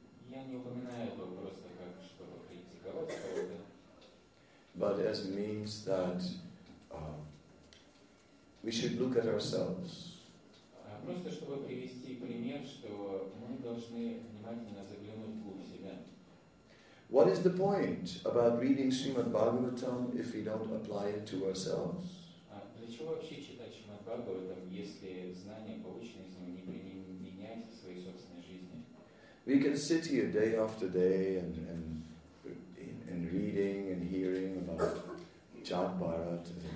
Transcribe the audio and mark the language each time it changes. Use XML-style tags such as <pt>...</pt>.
<ru>Я не упоминаю это просто как чтобы критиковать кого-то.</ru> <en>But as means that we should look at ourselves.</en> <ru>Просто чтобы привести пример, что мы должны внимательно заглянуть вглубь себя.</ru> <en>What is the point about reading Srimad Bhagavatam if we don't apply it to ourselves?</en> <ru>Для чего вообще читать Srimad Bhagavatam, если знания, полученные из него, не применять в своей</ru> <en>We can sit here day after day and reading and hearing about Jat Bharat.</en>